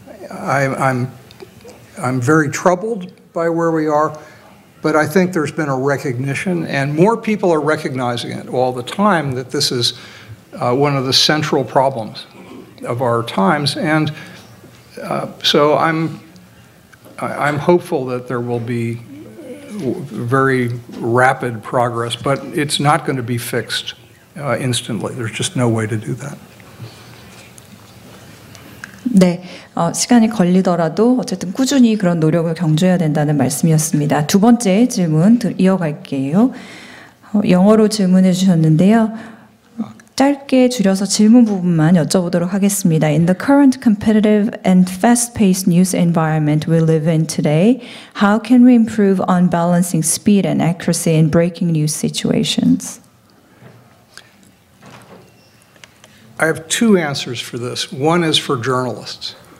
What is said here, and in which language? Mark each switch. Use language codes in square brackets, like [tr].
[en] I'm very troubled by where we are, but I think there's been a recognition, and more people are recognizing it all the time, that this is one of the central problems of our times. And so I'm hopeful that there will be very rapid progress, but it's not going to be fixed instantly. There's just no way to do that. [ko] 네, 시간이 걸리더라도 어쨌든 꾸준히 그런 노력을 경주해야 된다는 말씀이었습니다. 두 번째 질문 이어갈게요. 영어로 질문해 주셨는데요. 짧게 줄여서 질문 부분만 여쭤보도록 하겠습니다. [en] In the current competitive and fast-paced news environment we live in today, how can we improve on balancing speed and accuracy in breaking news situations? I have two answers for this. One is for journalists.